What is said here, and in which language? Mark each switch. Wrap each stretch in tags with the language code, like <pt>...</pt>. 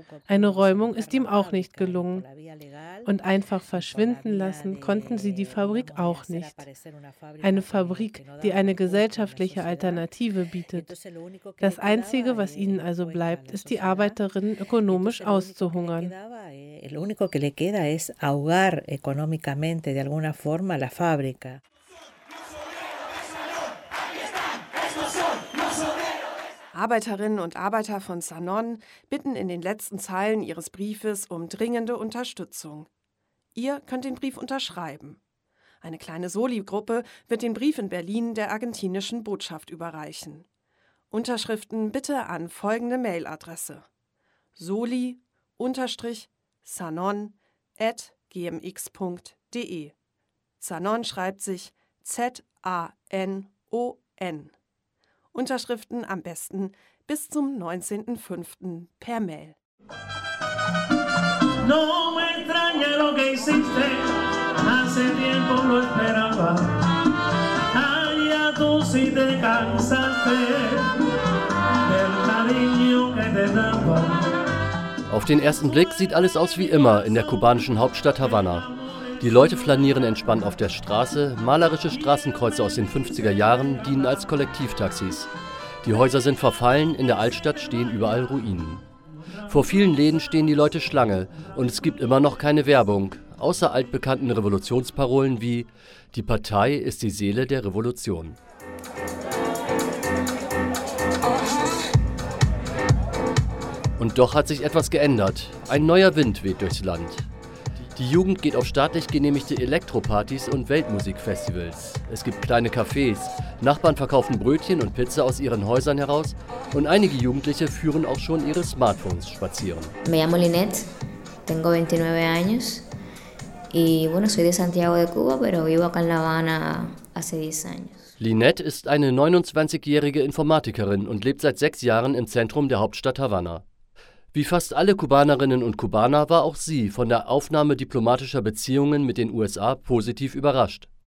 <de>Eine Räumung ist ihm auch nicht gelungen. Und einfach verschwinden lassen konnten sie die Fabrik auch nicht. Eine Fabrik, die eine gesellschaftliche Alternative bietet. Das Einzige, was ihnen also bleibt, ist die Arbeiterin ökonomisch auszuhungern.</de> <es>El único que le queda es ahogar económicamente de alguna forma la fábrica.</es> <de>Arbeiterinnen und Arbeiter von Sanon bitten in den letzten Zeilen ihres Briefes um dringende Unterstützung. Ihr könnt den Brief unterschreiben. Eine kleine Soli-Gruppe wird den Brief in Berlin der argentinischen Botschaft überreichen. Unterschriften bitte an folgende Mailadresse: soli-sanon@gmx.de. Sanon schreibt sich Z-A-N-O-N. Unterschriften am besten bis zum 19.05. per Mail.</de> <es>No me extraña lo que hiciste, hace tiempo lo esperaba. Ay, a tú si te cansaste del cariño que te daba.</es> <de>Auf den ersten Blick sieht alles aus wie immer in der kubanischen Hauptstadt Havanna. Die Leute flanieren entspannt auf der Straße, malerische Straßenkreuze aus den 50er Jahren dienen als Kollektivtaxis. Die Häuser sind verfallen, in der Altstadt stehen überall Ruinen. Vor vielen Läden stehen die Leute Schlange und es gibt immer noch keine Werbung, außer altbekannten Revolutionsparolen wie »Die Partei ist die Seele der Revolution«. Und doch hat sich etwas geändert. Ein neuer Wind weht durchs Land. Die Jugend geht auf staatlich genehmigte Elektropartys und Weltmusikfestivals. Es gibt kleine Cafés, Nachbarn verkaufen Brötchen und Pizza aus ihren Häusern heraus und einige Jugendliche führen auch schon ihre Smartphones spazieren.</de> <es>Me llamo Linet, tengo 29 años y bueno, soy de Santiago de Cuba, pero vivo acá en La Habana hace 10 años.</es> <de>Linette ist eine 29-jährige Informatikerin und lebt seit 6 Jahren im Zentrum der Hauptstadt Havanna. Wie fast alle Kubanerinnen und Kubaner war auch sie von der Aufnahme diplomatischer Beziehungen mit den USA positiv überrascht.</de>